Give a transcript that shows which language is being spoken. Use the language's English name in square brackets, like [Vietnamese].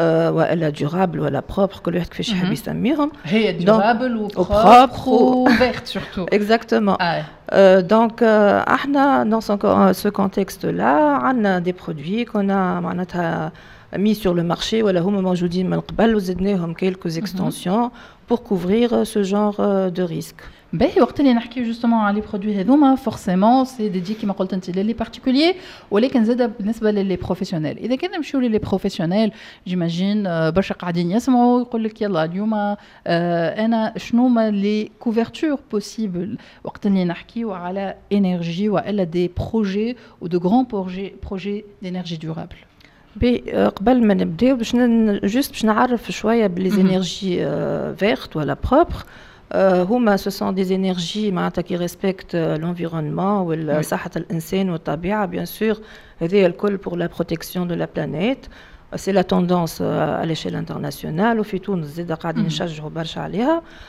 [Arabic] ولا durable ولا propre كل واحد كيفاش يحب يسميهم هي [French] durable ou propre ou verte surtout exactement donc [Arabic] احنا [French] dans ce contexte là عندنا des produits qu'on a معناتها mis sur le marché voilà [Arabic] هما موجودين من قبل وزدناهم [French] quelques extensions pour couvrir ce genre de risque [Arabic] باهي وقت اللي نحكي justement على البرودوي هذوما forcément [French] c'est dédié [Arabic] كما قلت انت للي particuliers ولكن زاد بالنسبه للي بروفيسيونيل اذا كان نمشيو للي بروفيسيونيل جيماجين برشا قاعدين يسمعوا يقول لك يلا اليوم انا شنو ما لي كوفرتور بوسيبل وقت اللي نحكيو على انرجي والا دي بروجي او دو غران بروجي دينرجي دورابل قبل ما نبداو باش جوست باش نعرف شويه باللي انرجي فيرت ولا بروبر هما [French] ce sont des énergies [Arabic] معناتها [French] qui respectent l'environnement ou la [Arabic] صحه الانسان والطبيعه [French] bien sûr [Arabic] هذه الكل [French] pour la protection de la planète c'est la tendance à l'échelle internationale [Arabic] وفي تونس زاد قاعدين نشجعوا برشا عليها